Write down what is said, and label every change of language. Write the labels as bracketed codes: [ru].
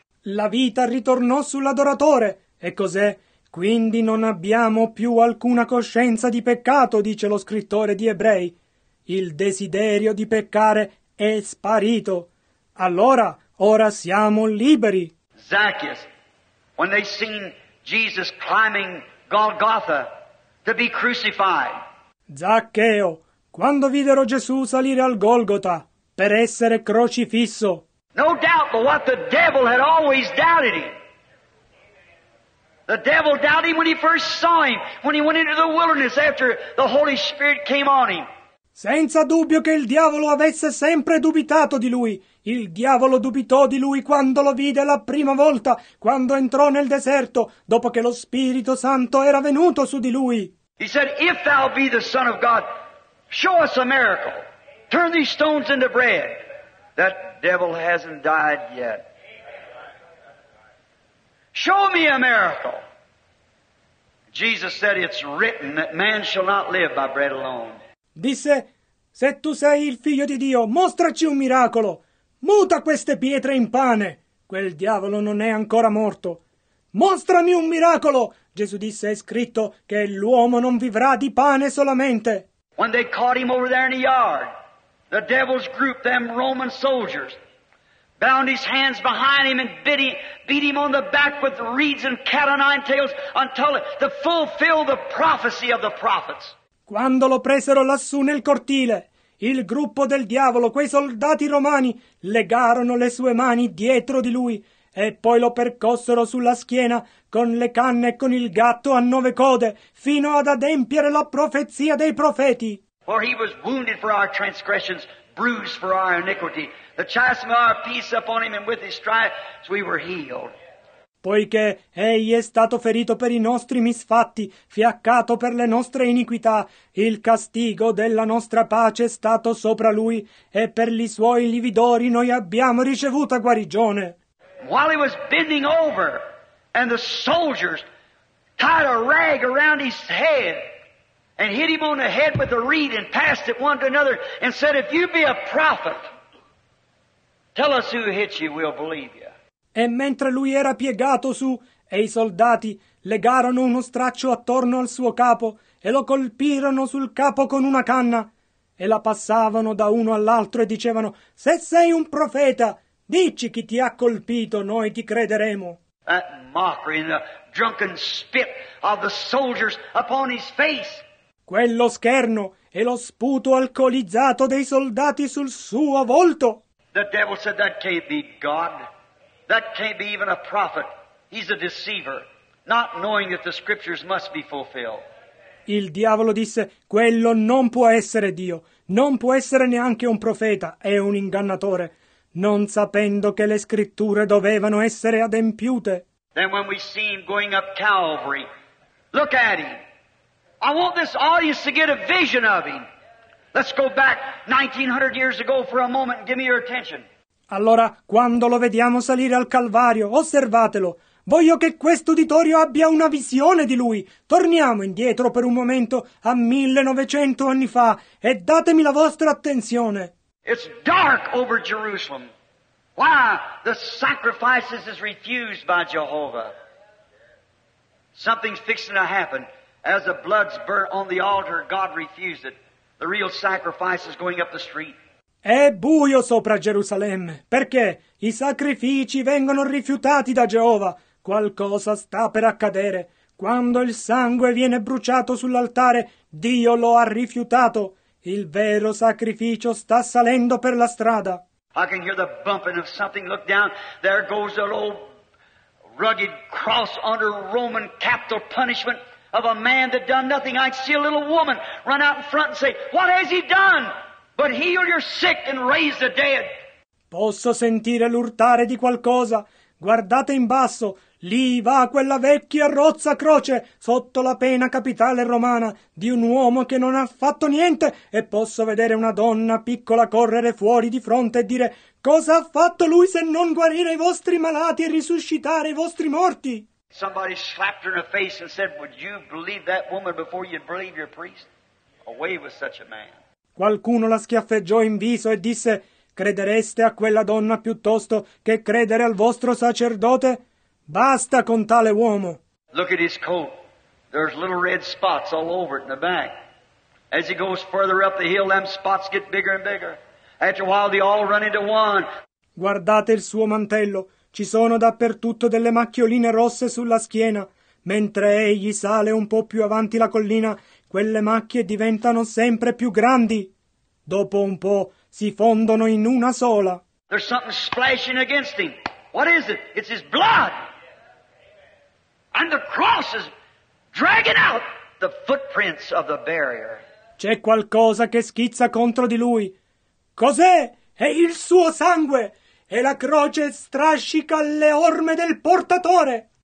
[it] La vita ritornò sull'adoratore, e cos'è? Quindi non abbiamo più alcuna coscienza di peccato, dice lo scrittore di Ebrei. Il desiderio di peccare è sparito. Allora, ora siamo liberi. [en] Zacchaeus, when they seen Jesus climbing Golgotha to be crucified. [it] Zaccheo, quando videro Gesù salire al Golgotha per essere crocifisso. [en] No doubt but what the devil had always doubted him. The devil doubted him when he first saw him, when he went into the wilderness after the Holy Spirit came on him. [it] Senza dubbio che il diavolo avesse sempre dubitato di lui. Il diavolo dubitò di lui quando lo vide la prima volta, quando entrò nel deserto, dopo che lo Spirito Santo era venuto su di lui. [en] He said, if thou be the Son of God, show us a miracle. Turn these stones into bread. That devil hasn't died yet. Show me a miracle. Jesus said, it's written that man shall not live by bread alone. [it] Disse, se tu sei il figlio di Dio, mostraci un miracolo. Muta queste pietre in pane. Quel diavolo non è ancora morto. Mostrami un miracolo. Gesù disse, è scritto che l'uomo non vivrà di pane solamente. [en] When they caught him over there in the yard, the devils grouped them Roman soldiers, bound his hands behind him and beat him on the back with reeds and cat o' nine tails until to fulfill the prophecy of the prophets. [it] Quando lo presero lassù nel cortile, il gruppo del diavolo, quei soldati romani, legarono le sue mani dietro di lui e poi lo percossero sulla schiena con le canne e con il gatto a nove code, fino ad adempiere la profezia dei profeti. [en] For he was wounded for our transgressions, bruised for our iniquity. The chastisement of our peace upon him, and with his stripes we were healed. [it] Poiché egli è stato ferito per i nostri misfatti, fiaccato per le nostre iniquità, il castigo della nostra pace è stato sopra lui, e per gli suoi lividori noi abbiamo ricevuto guarigione. [en] While he was bending over, and the soldiers tied a rag around his head, and hit him on the head with a reed, and passed it one to another, and said, if you be a prophet, tell us who hit you, we'll believe you. [it] E mentre lui era piegato su, e i soldati legarono uno straccio attorno al suo capo e lo colpirono sul capo con una canna e la passavano da uno all'altro e dicevano, se sei un profeta, dici chi ti ha colpito, noi ti crederemo. [en] That mockery and the drunken spit of the soldiers upon his face. [it] Quello scherno e lo sputo alcolizzato dei soldati sul suo volto. [en] The devil said, that can't be God. That can't be even a prophet. He's a deceiver, not knowing that the scriptures must be fulfilled. [it] Il diavolo disse, quello non può essere Dio, non può essere neanche un profeta, è un ingannatore, non sapendo che le scritture dovevano essere adempiute. [en] Then when we see him going up Calvary, look at him. I want this audience to get a vision of him. Let's go back 1900 years ago for a moment and give me your attention. [it] Allora, quando lo vediamo salire al Calvario, osservatelo. Voglio che questo uditorio abbia una visione di lui. Torniamo indietro per un momento a 1900 anni fa e datemi la vostra attenzione. [en] It's dark over Jerusalem. Why? The sacrifices is refused by Jehovah. Something's fixing to happen. As the blood's burnt on the altar, God refused it. The real sacrifice is going up the street. [it] È buio sopra Gerusalemme, perché i sacrifici vengono rifiutati da Geova. Qualcosa sta per accadere. Quando il sangue viene bruciato sull'altare, Dio lo ha rifiutato. Il vero sacrificio sta salendo per la strada. [en] I can hear the bumping of something. Look down. There goes an old rugged cross under Roman capital punishment of a man that done nothing. I see a little woman run out in front and say, what has he done? But heal your sick and raise the dead. [it] Posso sentire l'urtare di qualcosa. Guardate in basso. Lì va quella vecchia rozza croce sotto la pena capitale romana di un uomo che non ha fatto niente. E posso vedere una donna piccola correre fuori di fronte e dire, cosa ha fatto lui se non guarire i vostri malati e risuscitare i vostri morti? [en] Somebody slapped her in the face and said, would you believe that woman before you believe your priest? Away with such a man. [it] Qualcuno la schiaffeggiò in viso e disse, credereste a quella donna piuttosto che credere al vostro sacerdote? Basta con tale uomo. [en] Look at his coat. There's little red spots all over it in the back. As he goes further up the hill, them spots get bigger and bigger. After a while, they all run into one. [it] Guardate il suo mantello. Ci sono dappertutto delle macchioline rosse sulla schiena. Mentre egli sale un po' più avanti la collina, quelle macchie diventano sempre più grandi. Dopo un po' si fondono in una sola. [en] There's something splashing against him. What is it? It's his blood. And the cross is dragging out the footprints of the barrier. [it] C'è qualcosa che schizza contro di lui. Cos'è? È il suo sangue! E la croce strascica le orme del portatore!